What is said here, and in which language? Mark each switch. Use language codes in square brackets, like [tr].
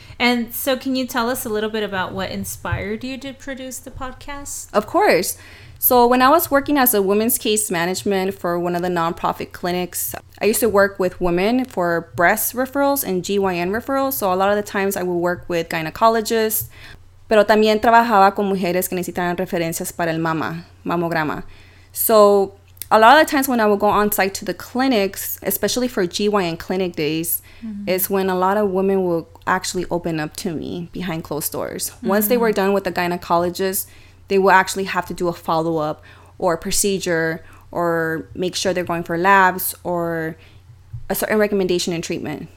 [en] And so can you tell us a little bit about what inspired you to produce the podcast? Of course. So when I was working as a women's case management for one of the nonprofit clinics, I used to work with women for breast referrals and GYN referrals. So a lot of the times I would work with gynecologists. [es] Pero también trabajaba con mujeres que necesitaban referencias para el mamograma. [en] So a lot of the times when I would go on site to the clinics, especially for GYN clinic days, is when a lot of women will actually open up to me behind closed doors. Once they were done with the gynecologist, they will actually have to do a follow-up or a procedure or make sure they're going for labs or a certain recommendation and treatment.